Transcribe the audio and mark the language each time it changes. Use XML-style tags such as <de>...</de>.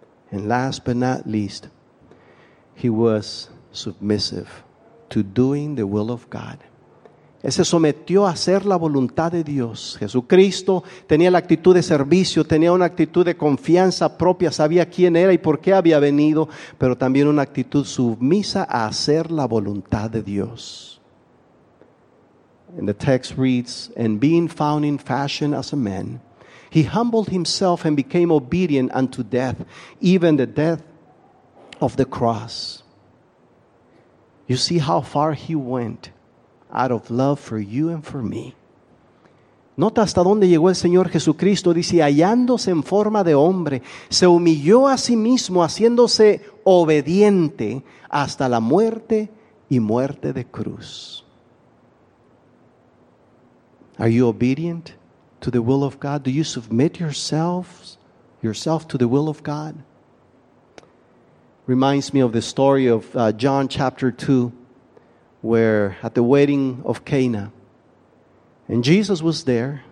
<en>And last but not least, he was submissive to doing the will of God.</en> <es>Él se sometió a hacer la voluntad de Dios. Jesucristo tenía la actitud de servicio, tenía una actitud de confianza propia, sabía quién era y por qué había venido, pero también una actitud submisa a hacer la voluntad de Dios.</es> <en>And the text reads, and being found in fashion as a man, he humbled himself and became obedient unto death, even the death of the cross. You see how far he went out of love for you and for me.</en> <es>Nota hasta dónde llegó el Señor Jesucristo. Dice, hallándose en forma de hombre, se humilló a sí mismo, haciéndose obediente hasta la muerte y muerte de cruz.</es> <en>Are you obedient to the will of God? Do you submit yourself to the will of God? Reminds me of the story of John chapter 2, where at the wedding of Cana, and Jesus was there.</en>